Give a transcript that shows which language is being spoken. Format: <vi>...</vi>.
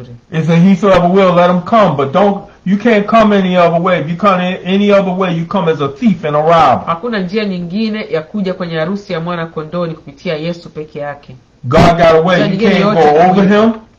<en>It's a he so ever will, let him come. But you can't come any other way. If you come any other way, you come as a thief and a robber.</en> <sw>Hakuna njia nyingine ya kuja kwenye harusi ya mwana kondoo ni kupitia Yesu peke yake.</sw> <en>God got a way. You can't go over him.</en>